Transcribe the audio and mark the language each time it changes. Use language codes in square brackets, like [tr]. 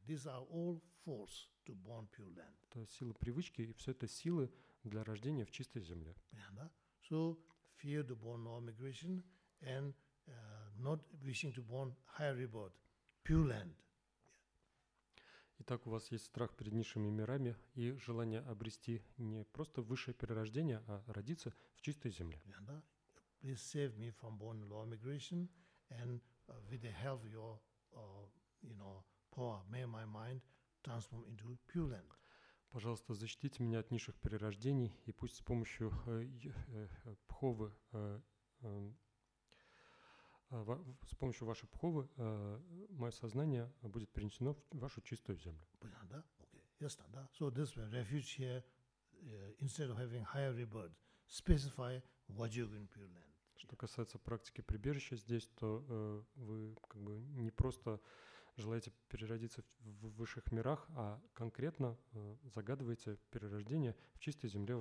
[en] These are all force to born pure land. [ru] Это сила привычки, и все это силы для рождения в чистой земле. [en] So fear to born no migration and not wishing to born higher rebirth, pure land. [ru] Итак, у вас есть страх перед низшими мирами и желание обрести не просто высшее перерождение, а родиться в чистой земле. [en] Please save me from born low migration and with the help of your you know, power, may my mind transform into pure land. [ru] Пожалуйста, защитите меня от низших перерождений и пусть с помощью пховы, с помощью вашей пховы, мое сознание будет перенесено в вашу чистую землю. Понятно, да? Окей, ясно, да? [en] So this way, refuge here, instead of having higher rebirth, specify what you're going to pure land. [ru] Что касается практики прибежища здесь, то вы как бы не просто желаете переродиться в высших мирах, а конкретно загадываете перерождение в чистой земле